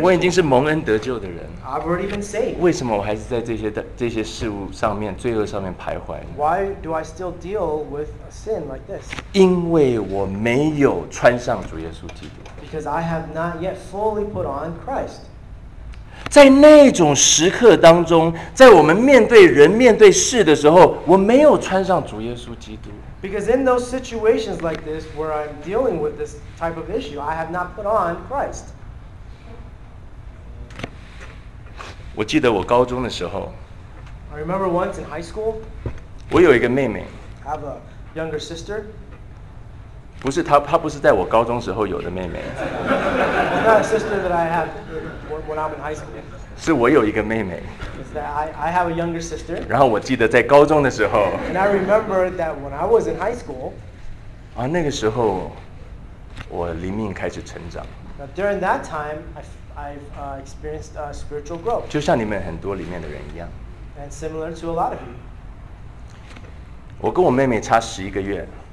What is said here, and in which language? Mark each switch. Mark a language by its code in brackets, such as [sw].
[zh] 我已经是蒙恩得救的人。 [en] I've already been saved. [zh] 为什么我还是在这些事物上面、罪恶上面徘徊？ [en] Why do I still deal with a sin like this? [zh] 因为我没有穿上主耶稣基督。 [en] Because I have not yet fully put on Christ. [zh] 在那种时刻当中，在我们面对人、面对事的时候，我没有穿上主耶稣基督。 [en] Because in those situations like this, where I'm dealing with this type of issue, I have not put on Christ. [zh] 我记得我高中的时候。 [en] I remember once in high school. [zh] 我有一个妹妹。 [en] I have a younger sister. [zh] 不是她不是在我高中时候有的妹妹。 [en] Not a sister that I have. When I'm in high school. [zh] 是我有一个妹妹。 [en] Is that I have a younger sister. [zh] 然后我记得在高中的时候。 [en] And I remember that when I was in high school. [zh] 啊，那个时候，我灵命开始成长。 [en] Now during that time, I've experienced spiritual growth. [zh] 就像你们很多里面的人一样。 [en] And similar to a lot of you. [zh] 我跟我妹妹差十一个月。